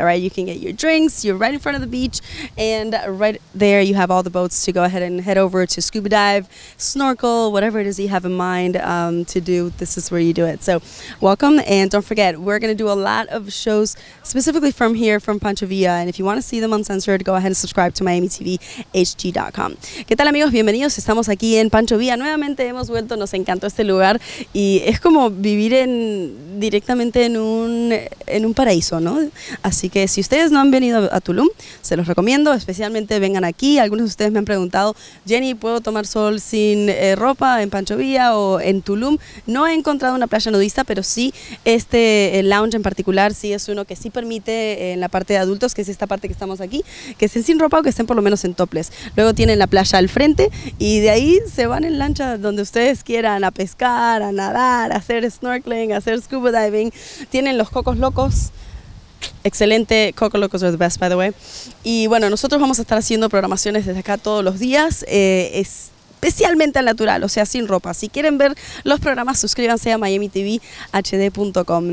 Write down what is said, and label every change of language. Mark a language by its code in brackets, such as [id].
[en] All right, you can get your drinks, you're right in front of the beach, and right there you have all the boats to go ahead and head over to scuba dive, snorkel, whatever it is you have in mind to do. This is where you do it. So welcome, and don't forget, we're going to do a lot of shows specifically from here, from Pancho Villa, and if you want to see them uncensored, go ahead and subscribe to MiamiTVHG.com. [es] ¿Qué tal amigos? Bienvenidos, estamos aquí en Pancho Villa nuevamente, hemos vuelto, nos encantó este lugar, y es como vivir en directamente en un paraíso, ¿no? Así que si ustedes no han venido a Tulum, se los recomiendo, especialmente vengan aquí. Algunos de ustedes me han preguntado, Jenny, ¿puedo tomar sol sin ropa en Pancho Villa o en Tulum? No he encontrado una playa nudista, pero sí, este lounge en particular, sí es uno que sí permite en la parte de adultos, que es esta parte que estamos aquí, que estén sin ropa o que estén por lo menos en topless. Luego tienen la playa al frente y de ahí se van en lancha donde ustedes quieran, a pescar, a nadar, a hacer snorkeling, a hacer scuba diving. Tienen los cocos locos. Excelente, [en] Coco Locos are the best, by the way. [es] Y bueno, nosotros vamos a estar haciendo programaciones desde acá todos los días, especialmente al natural, o sea, sin ropa. Si quieren ver los programas, suscríbanse a MiamiTVHD.com.